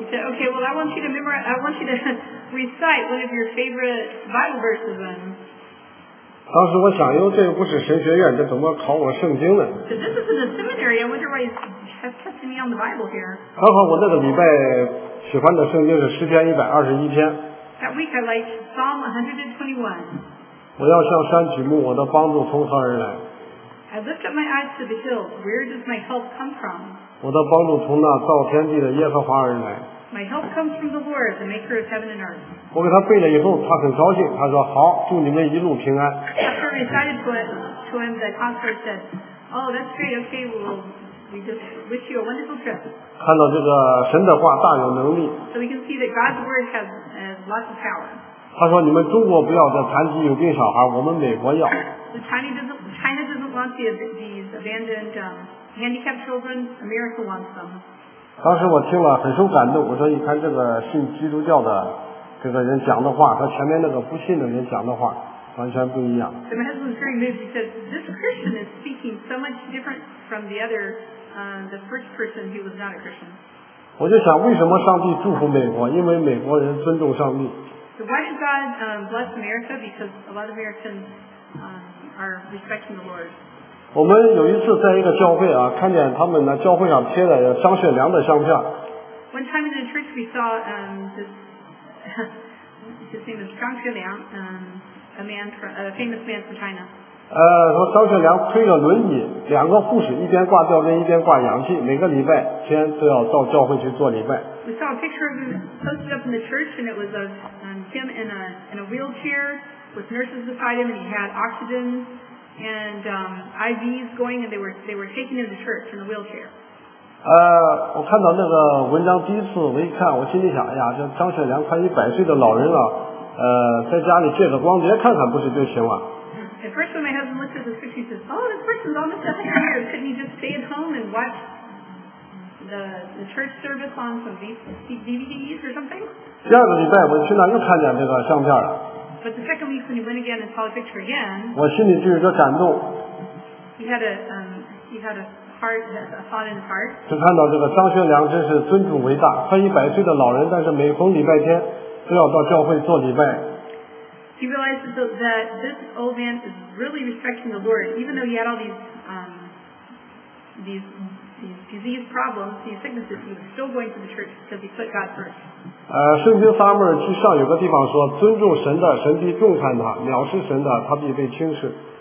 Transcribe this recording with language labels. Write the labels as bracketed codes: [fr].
[en] He said, "Okay, well, I want you to memorize. I want you to recite one of your favorite Bible verses." Then. [zh] 当时我想，哟，这又不是神学院，这怎么考我圣经呢 [en] ？So this isn't a seminary. I wonder why he's testing me on the Bible here. [zh] 刚好我那个礼拜喜欢的圣经是诗篇121篇。 [en] That week I like Psalm 121. [zh] 我要向山举目，我的帮助从何而来？ [en] I lift up my eyes to the hills. Where does my help come from? [zh] 我的帮助从那造天地的耶和华而来。 [en] My help comes from the Lord, the maker of heaven and earth. [zh] 我给他背了以后，他很高兴，他说：“好，祝你们一路平安。” [en] After recited to him, the counselor said, "Oh, that's great. Okay, we just wish you a wonderful trip." [zh] 看到这个神的话大有能力。 [en] So we can see that God's word has lots of power. [zh] 他说：“你们中国不要这残疾有病小孩，我们美国要。” [en] The China doesn't want these abandoned handicapped children. America wants them. [zh] 当时我听了很受感动，我说：“你看这个信基督教的这个人讲的话，和前面那个不信的人讲的话完全不一样。” [en] So my husband was very moved. He said, "This Christian is speaking so much different from the other, the first person who was not a Christian." [zh] 我就想，为什么上帝祝福美国？因为美国人尊重上帝。 [en] So why did God bless America? Because a lot of Americans. Are respecting the Lord. [zh] 我们有一次在一个教会啊，看见他们呢教会上贴了张学良的相片。 [en] One time in the church we saw his name is Zhang Xueliang, a famous man from China. [zh] 说张学良推着轮椅，两个护士一边挂吊针一边挂氧气，每个礼拜天都要到教会去做礼拜。 [en] We saw a picture of him posted up in the church, and it was of him in a wheelchair with nurses beside him, and he had oxygen and IVs going, and they were taking him to church in a wheelchair. [zh] 我看到那个文章第一次，我一看，我心里想，哎呀，这张雪良快100岁的老人了，在家里借着光碟看看，不是就行了？ [en] At first, when my husband looked at this picture, he says, "Oh, this person's almost 100 years. Couldn't he just stay at home and watch the church service on some DVDs or something?" [zh] 第二个礼拜，我去那又看见这个相片了。 [en] But the second week, when he went again and saw the picture again, [zh] 我心里就有个感动。 [en] He had a heart, [zh] 就看到这个张学良真是尊主伟大，快100岁的老人，但是每逢礼拜天都要到教会做礼拜。 [en] He realized that this old man is really respecting the Lord, even though he had all these disease problems, these sicknesses, he was still going to the church because he put God first. [zh] 圣经撒母耳记上有个地方说，尊重神的，神必重看他；藐视神的，他必被轻视。